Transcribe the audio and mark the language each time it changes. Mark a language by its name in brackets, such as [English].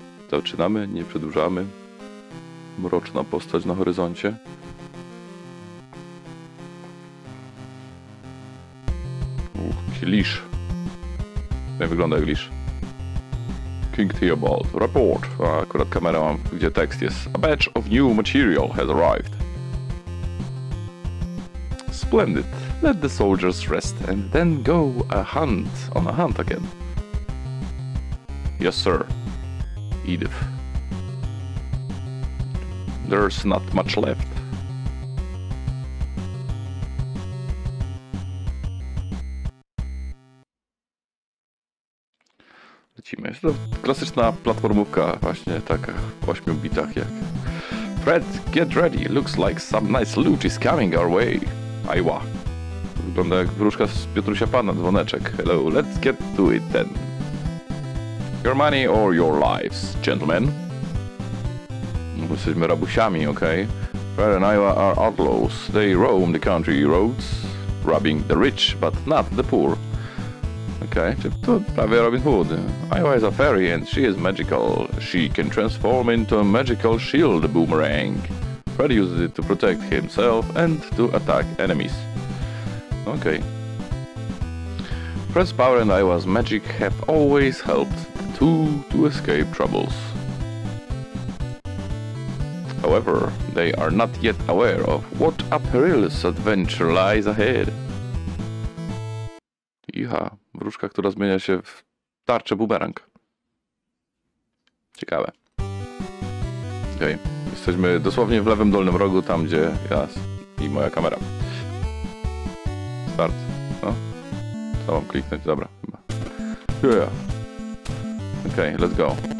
[Polish] Zaczynamy, nie przedłużamy. Mroczna postać na horyzoncie. Glisz. Nie wygląda jak Glisz. King Theobald, report. A akurat kamerę mam, gdzie tekst jest. [English] A batch of new material has arrived. Splendid. Let the soldiers rest and then go a hunt on a hunt again. Yes, sir. Edith. There's not much left. [Polish] Lecimy. To klasyczna platformówka właśnie taka w 8 bitach jak. [English] Fred, get ready. Looks like some nice loot is coming our way. Aiwa. [Polish] Wygląda jak wróżka z Piotrusia Pana, dzwoneczek. [English] Hello, let's get to it then. Your money or your lives, gentlemen. [Polish] No, jesteśmy rabusiami, okej. [English] Okay? Fred and Aiwa are outlaws. They roam the country roads, robbing the rich, but not the poor. [Polish] Okej, okay, czyli to prawie Robin Hood. [English] Aiwa is a fairy and she is magical. She can transform into a magical shield boomerang. Fred uses it to protect himself and to attack enemies. Okay. Fred's power and Iowa's magic have always helped the two to escape troubles. However, they are not yet aware of what a perilous adventure lies ahead. [Polish] Iha, wróżka, która zmienia się w tarczę boomerang. Ciekawe. Okay. Jesteśmy dosłownie w lewym dolnym rogu, tam gdzie ja i moja kamera. Start. No. Co mam kliknąć? Dobra, chyba. Yeah. Okej, okay, let's go.